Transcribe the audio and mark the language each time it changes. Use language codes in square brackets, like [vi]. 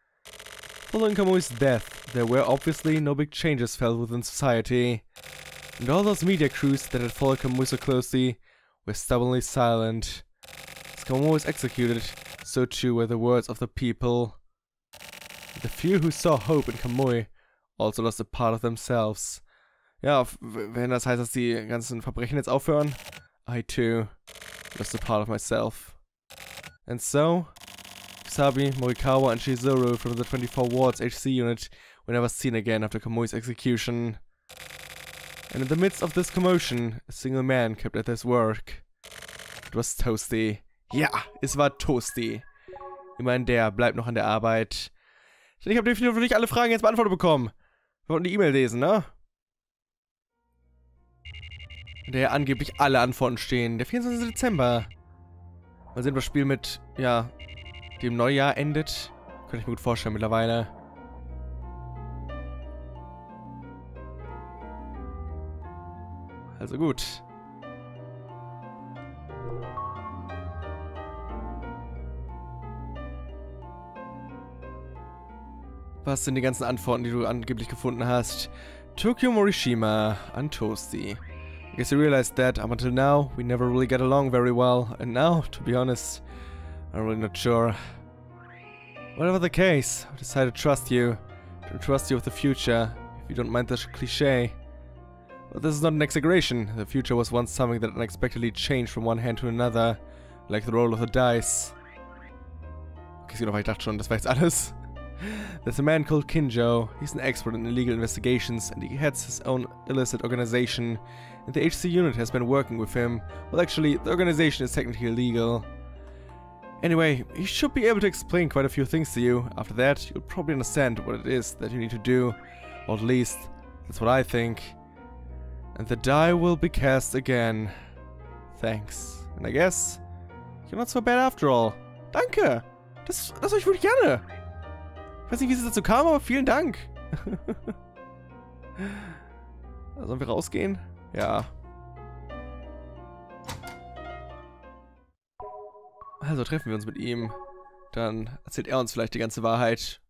[en] Following Kamui's death, there were obviously no big changes felt within society. And all those media crews that had followed Kamui so closely were stubbornly silent. As Kamui was executed, so too were the words of the people. The few who saw hope in Kamui also lost a part of themselves. [de] Ja, wenn das heißt, dass die ganzen Verbrechen jetzt aufhören, [en] I too lost a part of myself. And so, Kusabi, Morikawa and Shizuru from the 24 Wards HC unit were never seen again after Kamui's execution. And in the midst of this commotion, a single man kept at his work. It was Toasty. [de] Ja, es war Toasty. Immerhin, der bleibt noch an der Arbeit. Ich habe definitiv noch nicht alle Fragen jetzt beantwortet bekommen. Wir wollten die E-Mail lesen, ne? In der angeblich alle Antworten stehen. Der 24. Dezember. Mal sehen, was Spiel mit, ja, dem Neujahr endet. Könnte ich mir gut vorstellen mittlerweile. Also gut. Was sind die ganzen Antworten, die du angeblich gefunden hast? Tokyo Morishima an Toasty. [en] I guess you realized that up until now we never really get along very well. And now, to be honest, I'm really not sure. Whatever the case, I decided to trust you. To trust you with the future, if you don't mind the cliché. But this is not an exaggeration. The future was once something that unexpectedly changed from one hand to another, like the roll of the dice. [de] Okay, sieh doch, ich dachte schon, das war jetzt alles. [en] There's a man called Kinjo. He's an expert in illegal investigations, and he heads his own illicit organization. And the HC unit has been working with him. Well, actually, the organization is technically illegal. Anyway, he should be able to explain quite a few things to you. After that, you'll probably understand what it is that you need to do. Or at least, that's what I think. And the die will be cast again. Thanks. And I guess, you're not so bad after all. [de] Danke! Das ich wirklich gerne! Ich weiß nicht, wie es dazu kam, aber vielen Dank! Sollen wir rausgehen? Ja. Also treffen wir uns mit ihm. Dann erzählt er uns vielleicht die ganze Wahrheit.